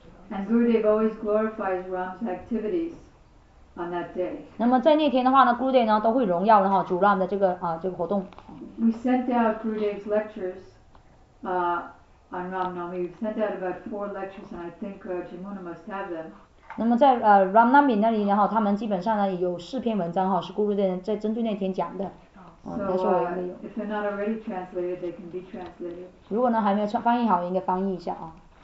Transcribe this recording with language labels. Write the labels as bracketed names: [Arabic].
[English] And Gurudev always glorifies Ram's activities on that day. [Chinese] 那么在那天的话呢 ，Gurudev 呢都会荣耀的哈主 Ram 的这个这个活动。 [English] We sent out Gurudev's lectures on Ram Nomi. We sent out about 4 lectures, and I think Jamuna must have them. [Chinese] 那么在Ram Nomi 那里呢哈，他们基本上呢有四篇文章哈，是咕噜的人在针对那天讲的。哦，那时候我也没有。 [English] If they're not already translated, they can be translated. [Chinese] 如果呢还没有翻译好，应该翻译一下啊。